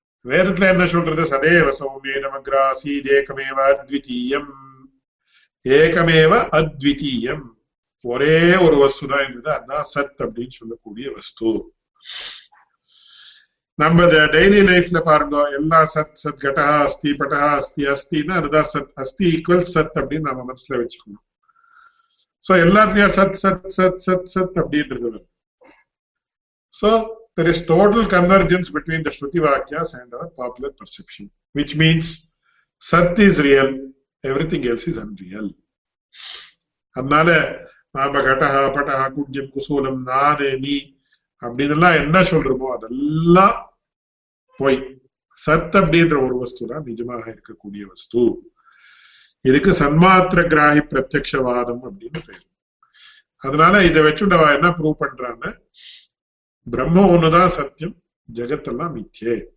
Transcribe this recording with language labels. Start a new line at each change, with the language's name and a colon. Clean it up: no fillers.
Tamil: வேதத்துல என்ன சொல்றது, சதேவ சௌமிய நமக்ராசீத் ஏகமேவ அத்விதீயம் ஏகமேவ அத்விதீயம், ஒரே ஒரு வஸ்து தான் இருந்தது அதுதான் சத் அப்படின்னு சொல்லக்கூடிய வஸ்து. நம்ம டெய்லி லைஃப்ல பாருங்க எல்லாம் சத் சத் கடஹா அஸ்தி பட்டஹா அஸ்தி அஸ்தின்னா அதுதான் சத், அஸ்தி ஈக்குவல் சத் அப்படின்னு நம்ம மனசுல வச்சுக்கணும். சோ எல்லாத்துலயும் சத் சத் சத் சத் சத் அப்படின்றது வரும்.
English: So, there is total convergence between the Shruti Vakyas and our popular perception, which means Sat is real, everything else is unreal.
Tamil: அதனால நாம கடஹா பட்டஹா குட்யம் குசூலம் நானே நீ அப்படின்னு என்ன சொல்றோமோ அதெல்லாம் போய் சத் அப்படின்ற ஒரு வஸ்து தான் நிஜமாக இருக்கக்கூடிய வஸ்து. இதுக்கு சன்மாத்திர கிராகி பிரத்யக்ஷவாதம் அப்படின்னு பேர். அதனால இதை வச்சுட்டு என்ன ப்ரூவ் பண்றாங்க, பிரம்ம ஒண்ணுதான் சத்தியம், ஜெகத்தெல்லாம் மித்தியே.